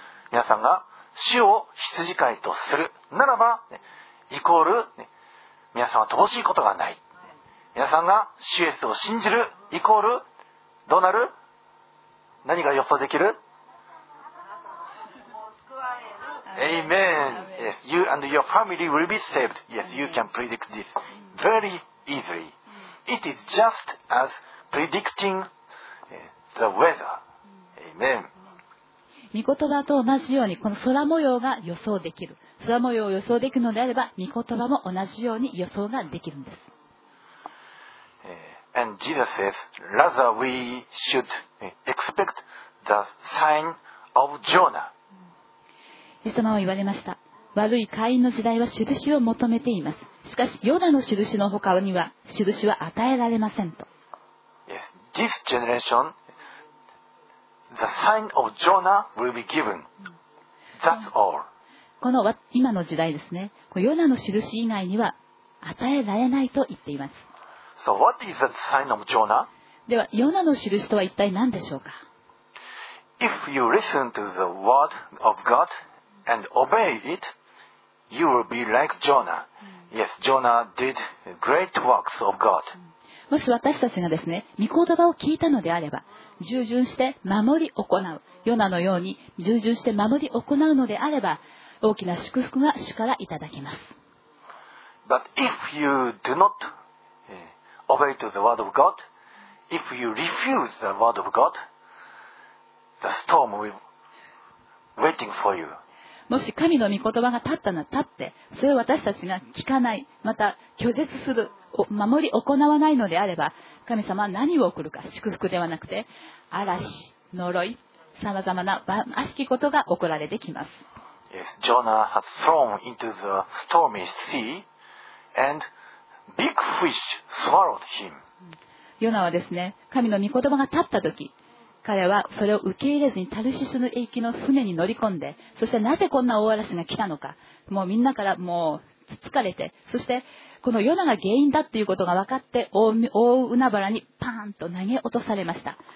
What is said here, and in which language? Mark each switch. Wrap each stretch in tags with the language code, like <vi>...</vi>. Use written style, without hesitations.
<ja>皆さんが主を羊飼いとするならば、ね、イコール、ね、皆さんは乏しいことがない。皆さんが主イエスを信じるイコールどうなる、何が予想できる。</ja> <en>Amen. Yes, you and your family will be saved. Yes, you can predict this very easily. It is just as predicting the weather. Amen.</en> <ja>御言葉と同じようにこの空模様が予想できる。空模様を予想できるのであれば、御言葉も同じように予想ができるんです。</ja> <en>And Jesus says, rather we should expect the sign of Jonah.</en> <ja>イエス様は言われました。悪い会員の時代は印を求めています。しかしヨナの印の他には印は与えられませんと。</ja> <en>Yes, this generation the sign of Jonah will be given. That's all.</en> <ja>この今の時代ですね、ヨナの印以外には与えられないと言っています。</ja> <en>So what is the sign of Jonah?</en> <ja>ではヨナの印とは一体何でしょうか。</ja> <en>If you listen to the word of GodAnd obey it, you will be like Jonah. Yes, Jonah did great works of God.</en> <ja>もし私たちがですね、御言葉を聞いたのであれば、従順して守り行う、ヨナのように従順して守り行うのであれば、大きな祝福が主からいただけます。</ja> <en>But if you do not obey to the word of God, if you refuse the word of God, the storm will be waiting for you.</en> <ja>もし神の御言葉が立ったなら立って、それを私たちが聞かない、また拒絶する、守り行わないのであれば、神様は何を送るか、祝福ではなくて嵐、呪い、さまざまな悪しきことが送られてきます。</ja> <en>Yes, Jonah has thrown into the stormy sea and big fish swallowed him.</en> <ja>ヨナはですね、神の御言葉が立った時、彼はそれを受け入れずにタルシシの行きの船に乗り込んで、そしてなぜこんな大嵐が来たのか、もうみんなからもうつつかれて、そしてこのヨナが原因だということが分かって、 大海原にパーンと投げ落とされました。</ja>